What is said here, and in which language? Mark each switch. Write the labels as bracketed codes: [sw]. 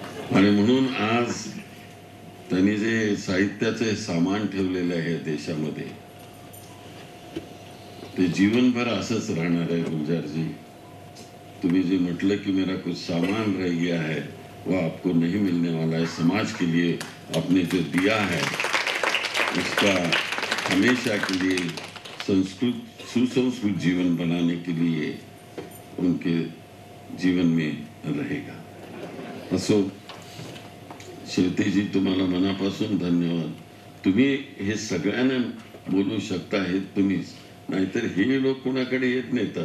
[mr] आणि म्हणून आज त्यांनी जे साहित्याचे सामान ठेवलेले आहे देशामध्ये ते जीवनभर असंच राहणार आहे. गुलजारजी तुम्ही जे म्हटलं की [hi] मेरा कुछ सामान रह गया है, वो आपको नहीं मिलने वाला है. समाज के लिए आपने जो दिया है उसका हमेशा के लिए संस्कृत सुसंस्कृत जीवन बनाने के लिए उनके जीवन में रहेगा. [mr] असो श्रुती जी तुम्हाला मनापासून धन्यवाद. तुम्ही हे सगळ्यांना बोलू शकता हे तुम्हीच, नाहीतर हे लोक कोणाकडे येत नाहीत.